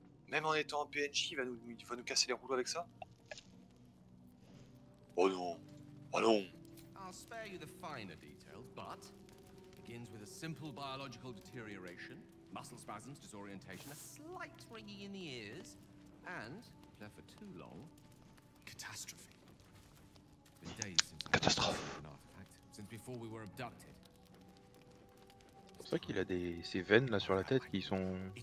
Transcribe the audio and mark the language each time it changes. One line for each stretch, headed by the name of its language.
French: Même en étant un PNJ, il va nous casser les rouleaux avec ça? Oh non! Oh non!
English: I'll spare you the finer details, but begins with a simple biological deterioration, muscle spasms, disorientation, a slight ringing in the ears. And, left for too long, catastrophe. The days since since before we were abducted.
French: C'est vrai qu'il a des ces veines là sur la tête qui sont.